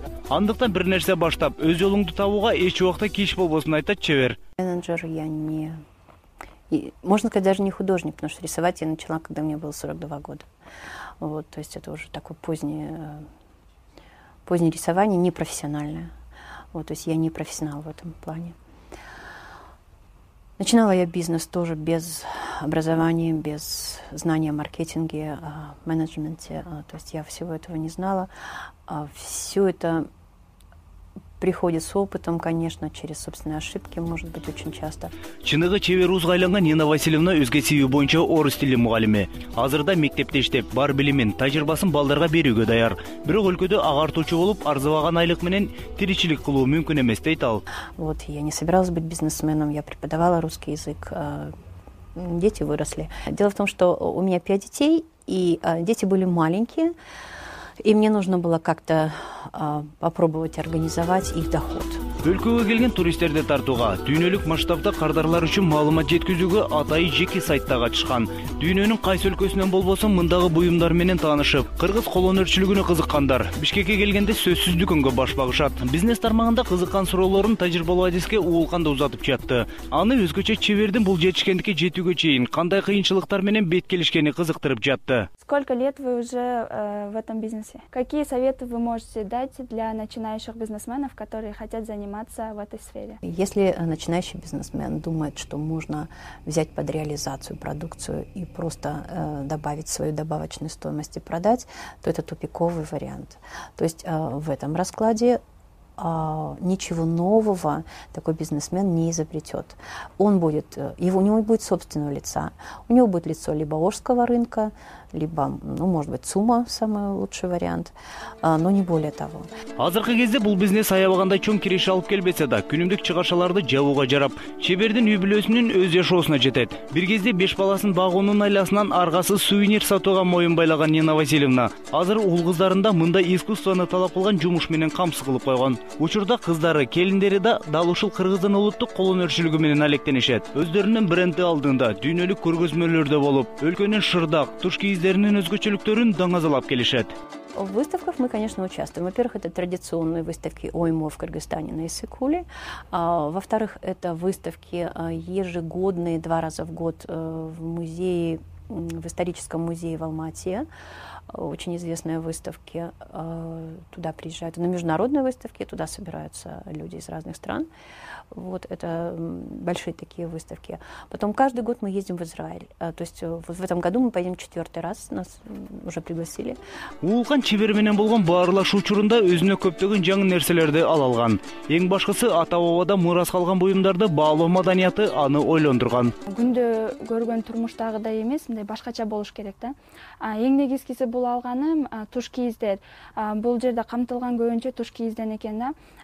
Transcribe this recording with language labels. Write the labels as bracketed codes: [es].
[ky] Андыктан бир нерсе баштап, өз жолуңду табууга эч убакта кеч болбосун айтат чевер. [ru] Менеджер я не... Можно сказать, даже не художник, потому что рисовать я начала, когда мне было 42 года. Вот, то есть это уже такое позднее рисование, непрофессиональное. Вот, то есть я не профессионал в этом плане. Начинала я бизнес тоже без образования, без знания о маркетинге, о менеджменте. То есть я всего этого не знала. Все это приходит с опытом, конечно, через собственные ошибки, может быть, очень часто. [ky] Чыныгы чевер узга айланган Нина Васильевна өзге сүйүү боюнча орус тили мугалими. Азырда мектепте иштеп, бар билимин, тажрыйбасын балдарга берүүгө даяр. Бирок өлкөдө агартуучу болуп, арзыбаган айлык менен тиричилик кылуу мүмкүн эмес дейт ал. [ru] Вот, я не собиралась быть бизнесменом, я преподавала русский язык. Дети выросли. Дело в том, что у меня 5 детей, и дети были маленькие. И мне нужно было как-то попробовать организовать их доход. [ky] Өлкөгө келген туристтерди тартууга, дүйнөлүк масштабда кардарлар үчүн маалымат жеткизүүгө атайы жеке сайтта катышкан. Дүйнөнүн кайсы өлкөсүнөн болбосун мындагы буюмдар менен таанышып, кыргыз колөнөрчүлүгүнө кызыккандар Бишкекке келгенде сөзсүз дүкөнгө баш багышат. Бизнес тармагында кызыккан суроолорун тажрыйбалуу адиске уулкан да узатып жатты. Аны өзгөчө чевердин бул жетишкендикке жетүүгө чейин кандай кыйынчылыктар менен бет келишкени кызыктырып жатты. [ru] Сколько лет вы уже в этом бизнесе? Какие советы вы можете дать для начинающих бизнесменов, которые хотят заниматься в этой сфере? Если начинающий бизнесмен думает, что можно взять под реализацию продукцию и просто добавить свою добавочную стоимость и продать, то это тупиковый вариант. То есть в этом раскладе ничего нового такой бизнесмен не изобретет. Он будет, у него будет собственного лица. У него будет лицо либо Ошского рынка, либо, ну, может быть, Сума самый лучший вариант, но не более того. [ky] Азыркы кезде бул бизнес аябаганда чоң киреш алып келбесе да, күнүмдүк чыгашаларды жабууга жарап, чебердин үй-бүлөсүнүн өз жашоосуна жетет. Бир кезде беш баласын багуунун айласынан аргасы сувенир сатууга моюн байлаган Нина Васильевна, азыр ул кыздарында мындай искусствону талап кылган жумуш менен камсыз кылып койгон. Учурда кыздары, келиндери да дал ушул кыргыздын улуттук колөнөрчүлүгү менен алектенишет. Өздөрүнүн бренди алдында дүйнөлүк көргөзмөлөрдө болуп, өлкөнүн шырдак, туш кийиздеринин өзгөчөлүктөрүн даңазалап келишет. [ru] В выставках мы, конечно, участвуем. Во-первых, это традиционные выставки ОИМО в Кыргызстане на Иссык-Куле. Во-вторых, это выставки ежегодные, два раза в год в музее, в историческом музее в Алма-Ате. Очень известные выставки. Туда приезжают на международные выставки, туда собираются люди из разных стран. Вот это большие такие выставки. Потом каждый год мы ездим в Израиль. То есть вот в этом году мы поедем 4-й раз, нас уже пригласили. [ky] Улкан чевер менен болгон баарлашуу учурунда өзүнө көптөгөн жаңы нерселерди ала алган. Эң башкысы ата-бабада мурас калган буюмдарды баалоо маданияты аны ойлондурган. Күндө көргөн турмуштагыдай эмес, мындай башкача болуш керек да. Эң негизгиси бул алганым туш кийиздер. Бул жерде камтылган көбүнчө туш кийизден экен да.